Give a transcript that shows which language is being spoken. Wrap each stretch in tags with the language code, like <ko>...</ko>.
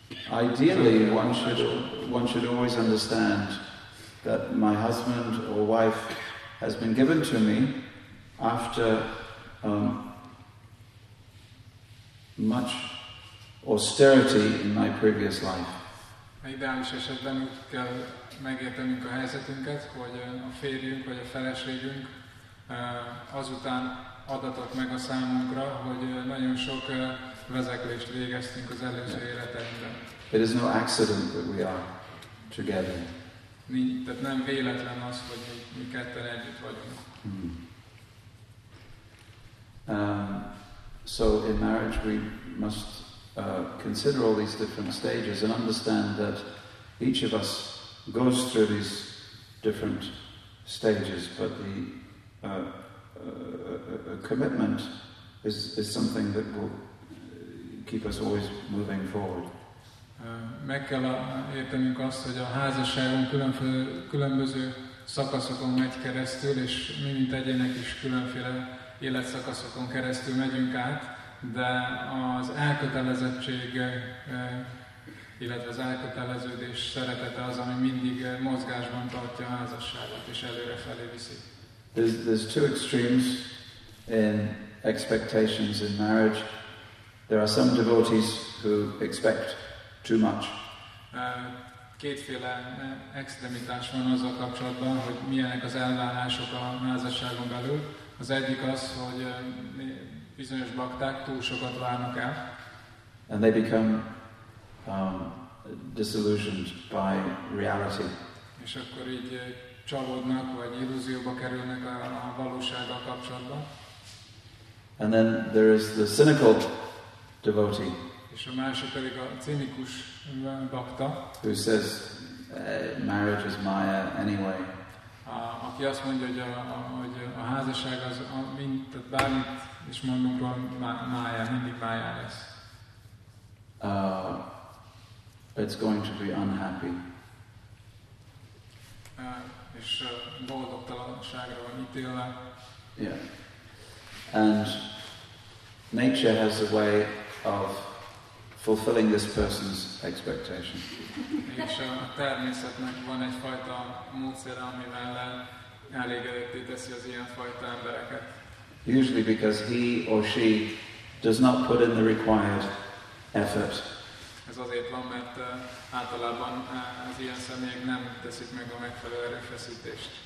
<en>Ideally, one should always understand that my husband or wife has been given to me after much austerity in my previous life.</en> <hu>Ideális esetben úgy kell megértenünk a helyzetünket, hogy a férjünk vagy a feleségünk azután adatott meg a számunkra, hogy nagyon sok vezeklést végeztünk az előző életeinkben.</hu> <en>It is no accident that we are together.</en> <hu>Tehát nem véletlen az, hogy mi ketten együtt vagyunk.</hu> <en>So in marriage we must consider all these different stages and understand that each of us goes through these different stages, but the commitment is something that will keep us always moving forward.</en> <hu>Meg kell értenünk azt, hogy a házasságon különböző szakaszokon megy keresztül, és mi mint egyének is különféle életszakaszokon keresztül megyünk át, de az elkötelezettség, illetve az elköteleződés szeretete az, ami mindig mozgásban tartja a házasságot, és előrefelé viszi.</hu> <en>There's two extremes in expectations in marriage. There are some devotees who expect too much.</en> <hu>Kétféle extremitás van azzal kapcsolatban, hogy milyenek az elvárások a házasságon belül. Az egyik az, hogy bizonyos bakták túl sokat várnak el.</hu> <en>And they become disillusioned by reality.</en> <hu>És akkor így csalódnak vagy illúzióba kerülnek a valósággal kapcsolatban.</hu> <en>And then there is the cynical devotee.</en> <hu>És a másik pedig a cinikus bakta.</hu> <en>Who says marriage is maya anyway.</en> <hu>Aki azt mondja, hogy a házasság az mint bármit is mondunk róla, mája, mindig mája lesz.</hu> <en>It's going to be unhappy.</en> <hu>És boldogtalanságra van ítélve.</hu> <en>Yeah. And nature has a way of fulfilling this person's expectation.</en> <hu>És a természetnek van egyfajta módszere, amivel elégedetté teszi az ilyenfajta embereket.</hu> <en>Usually because he or she does not put in the required effort.</en> <hu>Ez azért van, mert általában az ilyen személyek nem teszik meg a megfelelő erőfeszítést.</hu>